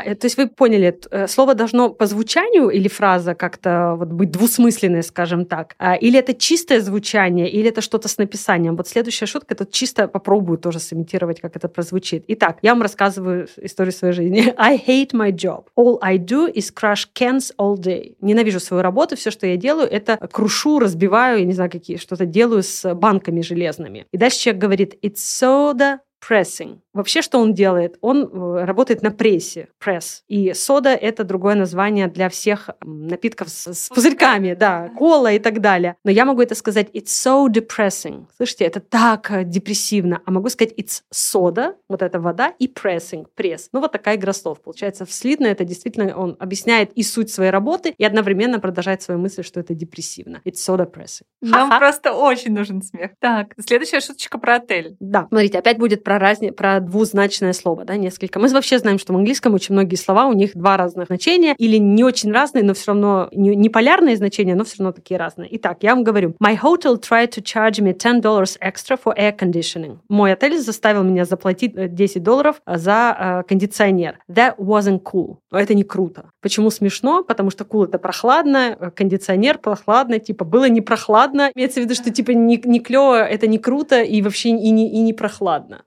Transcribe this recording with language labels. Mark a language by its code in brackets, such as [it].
[ru] То есть вы поняли, слово должно по звучанию или фраза как-то вот быть двусмысленной, скажем так. Или это чистое звучание, или это что-то с написанием. Вот следующая шутка, это чисто попробую тоже сымитировать, как это прозвучит. Итак, я вам рассказываю историю своей жизни. [en] I hate my job. All I do is crush cans all day. [ru] Ненавижу свою работу, все, что я делаю, это крушу, разбиваю, я не знаю, какие что-то делаю с банками железными. И дальше человек говорит, [en] it's soda pressing. [ru] Вообще, что он делает? Он работает на прессе, пресс. И сода – это другое название для всех напитков с пузырьками, да, кола и так далее. Но я могу это сказать [en] «it's so depressing». [ru] Слышите, это так депрессивно. А могу сказать [en] «it's soda», [ru] вот эта вода, и «pressing», пресс. Ну, вот такая игра слов. Получается, вслитно это действительно он объясняет и суть своей работы, и одновременно продолжает свою мысль, что это депрессивно. [en] «It's soda pressing». [ru] Нам просто очень нужен смех. Так, следующая шуточка про отель. Да, смотрите, опять будет про разницу, про двузначное слово, да, несколько. Мы вообще знаем, что в английском очень многие слова, у них два разных значения, или не очень разные, но все равно не полярные значения, но все равно такие разные. Итак, я вам говорю. [en] My hotel tried to charge me $10 extra for air conditioning. [ru] Мой отель заставил меня заплатить $10 за кондиционер. [en] That wasn't cool. [ru] Но это не круто. Почему смешно? Потому что cool — это прохладно, кондиционер прохладно, типа было не прохладно. Имеется в виду, что типа не клево, это не круто и вообще и не прохладно.